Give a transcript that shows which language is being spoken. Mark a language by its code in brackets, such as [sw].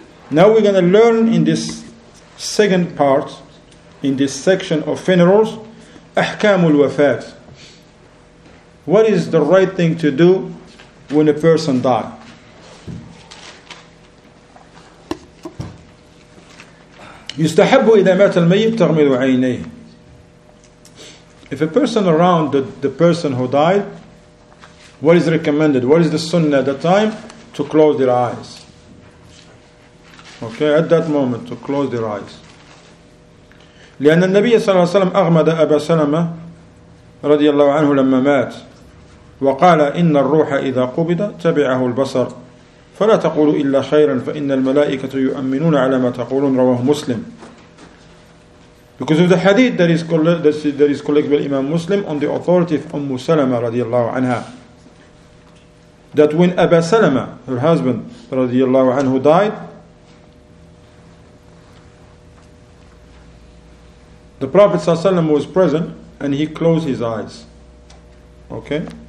[en] Now we're going to learn in this second part, in this section of funerals, ahkamul wafat. What is the right thing to do when a person dies? [ar] يستحب إذا مات الميت تغمض عينيه. [en] If a person around the person who died, what is recommended? What is the sunnah at the time? To close their eyes. Okay, at that moment, to close their eyes. [ar] لأن النبي صلى الله عليه وسلم أغمض أبا سلمة رضي الله عنه لما مات وقال إن الروح إذا قبض تبعه البصر فلا تقول إلا خيرا فإن الملائكة يؤمنون على ما تقولون رواه مسلم. [en] Because of the hadith that is collected by Imam Muslim on the authority of Umm Salama radiallahu anha, that when Aba Salama, her husband radiallahu anhu, died, the Prophet sallallahu alaihi wasallam was present and he closed his eyes. Okay?